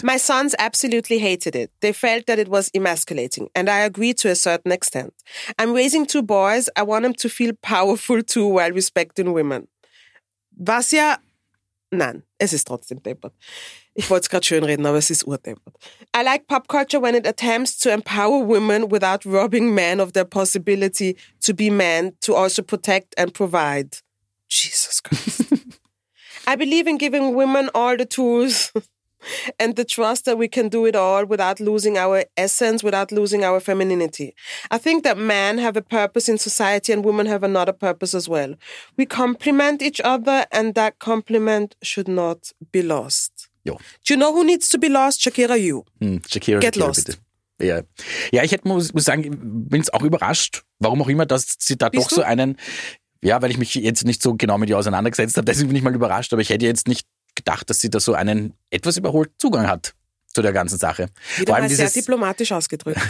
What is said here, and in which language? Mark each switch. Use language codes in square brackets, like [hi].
[en] My sons absolutely hated it. They felt that it was emasculating. And I agree to a certain extent. I'm raising two boys. I want them to feel powerful too while respecting women. [de] Was ja, nein, es ist trotzdem deppert. Ich wollte es gerade schön reden, aber es ist urdeppert. [en] I like pop culture when it attempts to empower women without robbing men of their possibility to be men, to also protect and provide. Jesus Christ. I believe in giving women all the tools and the trust that we can do it all without losing our essence, without losing our femininity. I think that men have a purpose in society and women have another purpose as well. We complement each other and that compliment should not be lost. Jo. Do you know who needs to be lost? Shakira, you. Shakira, get Shakira, lost. [de] Bitte. Ja. Ja, ich hätte, muss sagen, bin es auch überrascht, warum auch immer, dass sie da bist doch du? So einen, ja, weil ich mich jetzt nicht so genau mit ihr auseinandergesetzt habe, deswegen bin ich mal überrascht, aber ich hätte jetzt nicht gedacht, dass sie da so einen etwas überholten Zugang hat zu der ganzen Sache. Wieder vor allem dieses, sehr diplomatisch ausgedrückt.